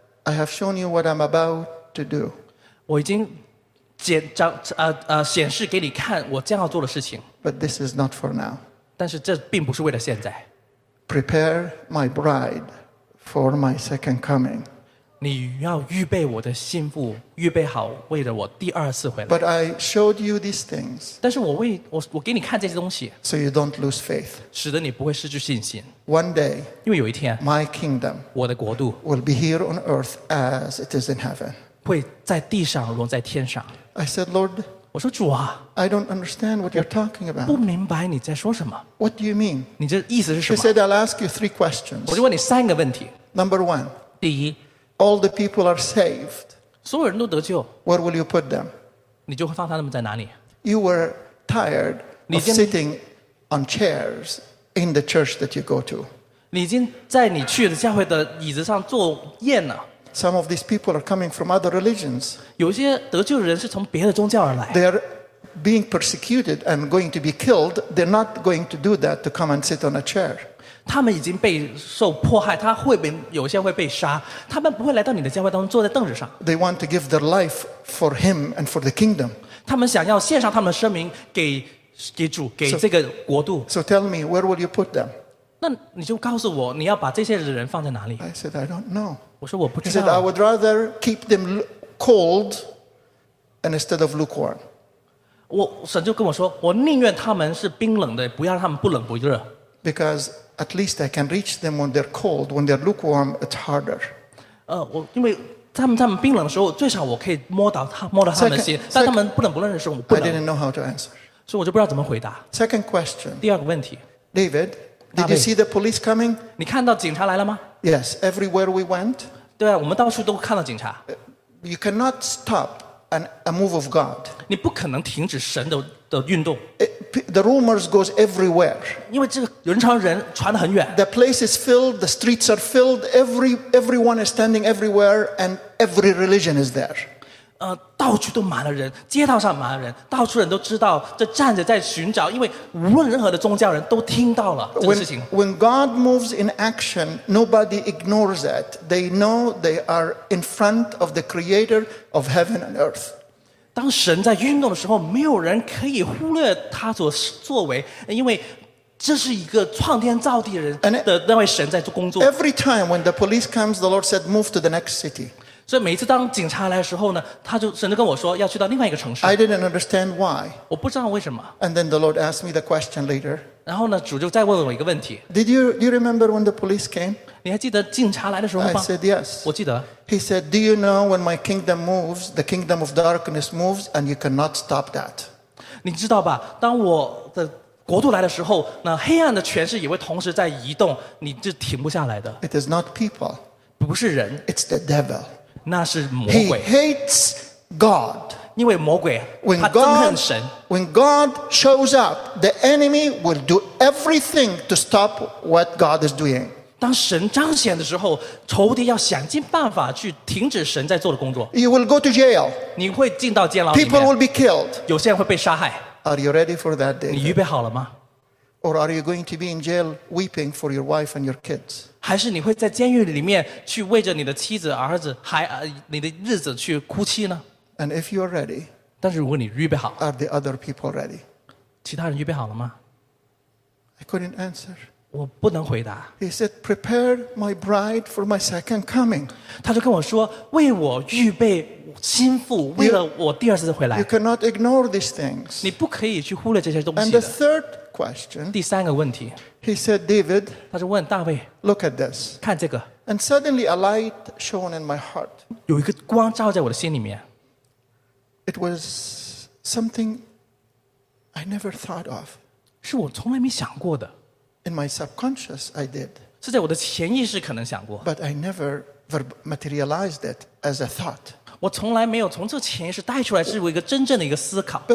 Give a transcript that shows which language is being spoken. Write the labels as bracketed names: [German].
[English] I have shown you what I'm about to do. [Chinese] 我已经显示给你看我将要做的事情。 [English] But this is not for now. [Chinese] 但是这并不是为了现在。 [English] Prepare my bride for my second coming. [Chinese] 你要预备我的心腹，预备好为了我第二次回来。 [English] But I showed you these things. [Chinese] 但是我给你看这些东西。 [English] So you don't lose faith. [Chinese] 使得你不会失去信心。 [English] One day, [Chinese] 因为有一天 [English] my kingdom, [Chinese] 我的国度 [English] will be here on earth as it is in heaven. [Chinese] 会在地上如同在天上。 [English] I said, Lord. [Chinese] 我说主啊 [English] ，I don't understand what you're talking about. [Chinese] 不明白你在说什么。 [English] What do you mean? [Chinese] 你这意思是什么 [English] ？She said, "I'll ask you 3 questions." [Chinese] 我就问你三个问题。 [English] Number one. [Chinese] 第一。 [English] All the people are saved. [Chinese] 所有人都得救。 [English] Where will you put them? [Chinese] 你就会放他们在哪里 [English] ？You were tired of sitting on chairs in the church that you go to. [Chinese] 你已经在你去的教会的椅子上坐厌了。 [English] Some of these people are coming from other religions. [Chinese] 有些得救的人是从别的宗教而来。 [English] They are being persecuted and going to be killed. They're not going to do that to come and sit on a chair. [Chinese] 他们已经被受迫害，他会被有些会被杀，他们不会来到你的教会当中坐在凳子上。 [English] They want to give their life for him and for the kingdom. [Chinese] 他们想要献上他们的生命给主，给这个国度。 [English] So tell me, where will you put them? [Chinese] 那你就告诉我，你要把这些人放在哪里 [English] ？I said, I don't know. [Chinese] 我说我不知道。 [English] He said, "I would rather keep them cold, instead of lukewarm." [Chinese] 我神就跟我说，我宁愿他们是冰冷的，不要让他们不冷不热。 [English] Because at least I can reach them when they're cold. When they're lukewarm, it's harder. [Chinese] 我因为他们冰冷的时候，最少我可以摸到他们的心。但他们不冷不热的时候，我不冷。 [English] I didn't know how to answer. [Chinese] 所以我就不知道怎么回答。 [English] Second question. [Chinese] 第二个问题。 [English] David, did you see the police coming? [Chinese] 你看到警察来了吗？ [English] Yes, everywhere we went. [Chinese] 对啊，我们到处都看到警察。 [English] You cannot stop a move of God. [Chinese] 你不可能停止神的运动。 [English] The rumors goes everywhere. [Chinese] 因为这个人传人传得很远。 [English] The place is filled, the streets are filled, everyone is standing everywhere, and every religion is there. [Chinese] 到处都满了人，街道上满了人，到处人都知道，这站着在寻找，因为无论任何的宗教人都听到了这个事情。 [English] When God moves in action, nobody ignores it. They know they are in front of the Creator of heaven and earth. [Chinese] 当神在运动的时候，没有人可以忽略他所作为，因为这是一个创天造地人的那位神在做工作。 [English] Every time when the police comes, the Lord said, "Move to the next city." [Chinese] 所以每次当警察来的时候呢，他就甚至跟我说要去到另外一个城市。 [English] I didn't understand why. [Chinese] 我不知道为什么。 [English] And then the Lord asked me the question later. [Chinese] 然后呢，主就再问我一个问题。 [English] Do you remember when the police came? [Chinese] 你还记得警察来的时候吗 [English] ？I said yes. [Chinese] 我记得。 [English] He said, "Do you know when my kingdom moves, the kingdom of darkness moves, and you cannot stop that?" [Chinese] 你知道吧？当我的国度来的时候，那黑暗的权势也会同时在移动，你就停不下来的。 [English] It is not people. [Chinese] 不是人。 [English] It's the devil. [Chinese] 那是魔鬼。 [English] He hates God. [Chinese] 因为魔鬼，他憎恨神。 [English] When God shows up, the enemy will do everything to stop what God is doing. [Chinese] 当神彰显的时候，仇敌要想尽办法去停止神在做的工作。 [English] You will go to jail. [Chinese] 你会进到监牢里面。 [English] People will be killed. [Chinese] 有些人会被杀害。 [English] Are you ready for that day? [Chinese] 你预备好了吗？ [English] Or are you going to be in jail weeping for your wife and your kids? [Chinese] 还是你会在监狱里面去为着你的妻子、儿子、孩、你的日子去哭泣呢 [English] ？And if you are ready, [Chinese] 但是如果你预备好 [English] ，Are the other people ready? [Chinese] 其他人预备好了吗 [English] ？I couldn't answer. [Chinese] 我不能回答。 [English] He said, "Prepare my bride for my second coming." [Chinese] 他就跟我说，为我预备心腹，为了我第二次回来。 [English] You cannot ignore these things. [Chinese] 你不可以去忽略这些东西的。 [English] And the third. Question. [Chinese] 第三个问题 [English] He said, David, [Chinese] 他就问大卫 [English] Look at this. [Chinese] 看这个 [English] And suddenly a light shone in my heart. [Chinese] 有一个光照在我的心里面 [English] It was something I never thought of. [Chinese] 是我从来没想过的 [English] In my subconscious, I did. [Chinese] 是在我的潜意识可能想过 [English] But I never materialized it as a thought. [Chinese] 我从来没有从这潜意识带出来是一个真正的一个思考。